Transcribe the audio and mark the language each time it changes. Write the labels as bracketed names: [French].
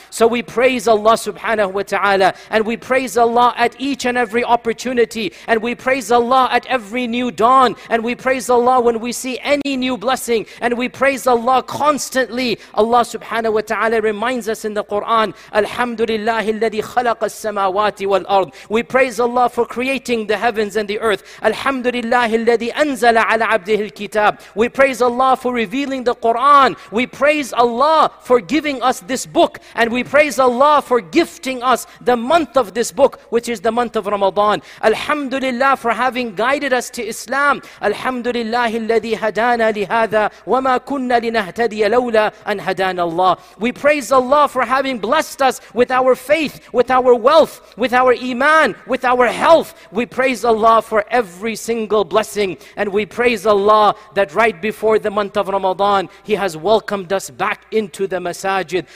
[English] So we praise Allah subhanahu wa ta'ala, and we praise Allah at each and every opportunity, and we praise Allah at every new dawn, and we praise Allah when we see any new blessing, and we praise Allah constantly. Allah subhanahu wa ta'ala reminds us in the Quran, Alhamdulillah [Arabic] الذي خلق السماوات والأرض. [English] We praise Allah for creating the heavens and the earth. Alhamdulillah [Arabic] الذي أنزل على عبده الكتاب. [English] We praise Allah for revealing the Quran. We praise Allah for giving us this book, and we praise Allah for gifting us the month of this book, which is the month of Ramadan. Alhamdulillah for having guided us to Islam. [Arabic] Alhamdulillah الذي هدانا لهذا وما كنا لنهتدي لولا أن هدانا الله. [English] We praise Allah for having blessed us with our faith, with our wealth, with our iman, with our health. We praise Allah for every single blessing, and we praise Allah that right before the month of Ramadan, He has welcomed us back into the masajid.